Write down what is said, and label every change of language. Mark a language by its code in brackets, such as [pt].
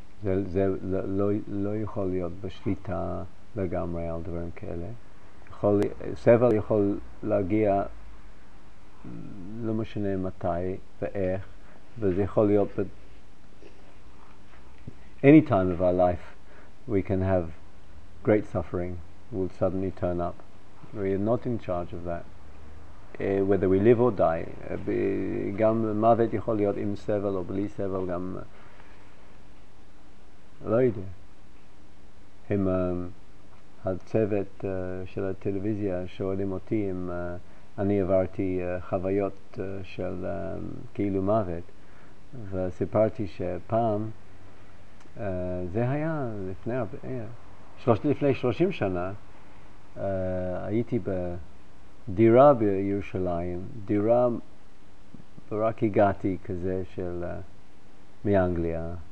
[he] זה לא יכול להיות בשליטה לגמרי על דברים כאלה. סבל יכול להגיע לא משנה מתי ואיך, וזה יכול להיות [en] any time of our life we can have great suffering will suddenly turn up. We are not in charge of that. Whether we live or die, [he] גם מוות יכול להיות עם סבל או בלי סבל, גם לא יודע. הם הצוות של הטלוויזיה שואלים אותי אם אני עברתי חוויות של כאילו מוות, וסיפרתי שפעם, זה היה לפני לפני 30 שנה, הייתי בדירה בירושלים, דירה רק הגעתי כזה של מאנגליה,